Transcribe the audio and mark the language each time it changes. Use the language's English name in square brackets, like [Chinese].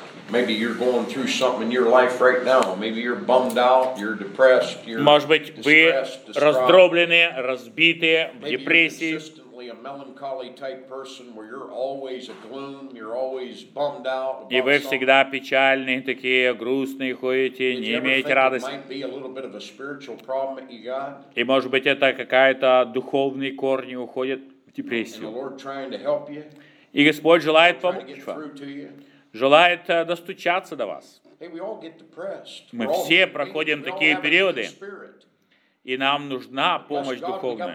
[English] Maybe you're going through something in your life right now. Maybe you're bummed out, you're depressed, you're [Russian] может быть, вы раздроблены, разбиты, в депрессии. [English] Maybe you're consistently a melancholy type person where you're always a gloom, you're always bummed out. [Russian] И вы всегда печальны, такие грустные ходите, не имеете радости. [English] Maybe it might be a little bit of a spiritual problem that you got. [Russian] И может быть, это какая-то духовные корни уходят в депрессию. [English] And the Lord trying to help you. [Russian] И Господь желает помочь вам. Желает достучаться до вас. Мы все проходим такие периоды, и нам нужна помощь духовная.